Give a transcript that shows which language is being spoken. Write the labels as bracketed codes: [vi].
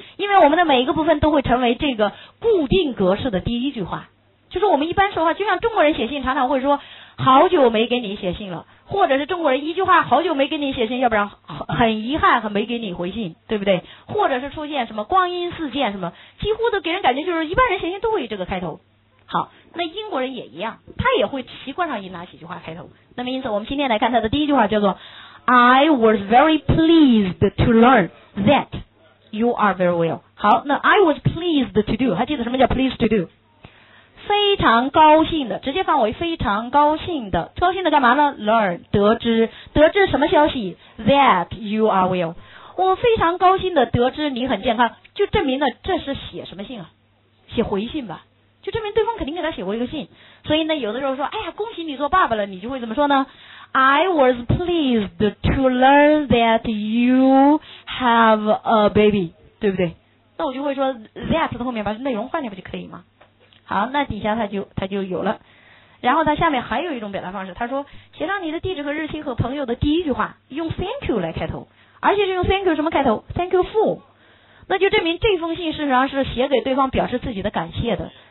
[zh] 因为我们的每一个部分都会成为这个固定格式的第一句话，就是我们一般说话，就像中国人写信常常会说好久没给你写信了，或者是中国人一句话好久没给你写信，要不然很遗憾很没给你回信，对不对？或者是出现什么光阴似箭什么，几乎都给人感觉就是一般人写信都会以这个开头。好，那英国人也一样，他也会习惯上以哪几句话开头。那么因此我们今天来看他的第一句话，叫做 I was very pleased to learn that you are very well。好，那 I was pleased to do，还记得什么叫 pleased to do？非常高兴的，直接放为非常高兴的。高兴的干嘛呢？learn， 得知。得知什么消息？ [en] that you are well。 [zh] 我非常高兴的得知你很健康，就证明了这是写什么信啊？写回信吧，就证明对方肯定给他写过一个信。所以呢，有的时候说哎呀恭喜你做爸爸了，你就会怎么说呢？ [en] I was pleased to learn that you have a baby, 对不对？ [zh] 那我就会说 that 的后面把内容换掉不就可以吗？好，那底下它就有了。然后它下面还有一种表达方式，它说写上你的地址和日期和朋友的第一句话，用 thank you 来开头，而且是用 thank you 什么开头？ [en] thank you for。 [zh] 那就证明这封信事实上是写给对方表示自己的感谢的。